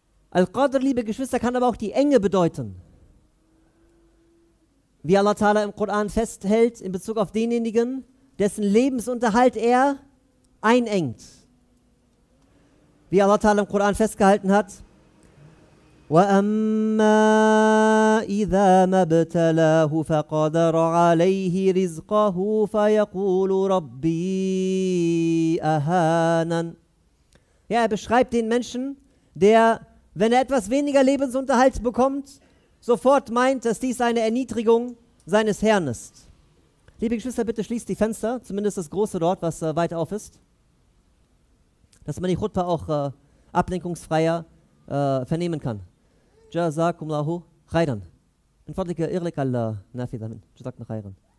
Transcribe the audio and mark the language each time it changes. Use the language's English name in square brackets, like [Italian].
[German] Al-Qadr, liebe Geschwister, kann aber auch die Enge bedeuten. Wie Allah Ta'ala im Koran festhält in Bezug auf denjenigen, dessen Lebensunterhalt er einengt. Wie Allah Ta'ala im Koran festgehalten hat, [Arabic] وَأَمَّا إِذَا مَبْتَلَاهُ فَقَدَرَ عَلَيْهِ رِزْقَهُ فَيَقُولُ رَبِّي أَهَانًا. [German] Ja, er beschreibt den Menschen, der, wenn er etwas weniger Lebensunterhalt bekommt, sofort meint, dass dies eine Erniedrigung seines Herrn ist. Liebe Geschwister, bitte schließt die Fenster, zumindest das große dort, was weit auf ist, dass man die Khutbah auch ablenkungsfreier vernehmen kann. [Arabic] جزاكم الله خيرا. من فضلك اغلق النافذة من جزاكم خيرا.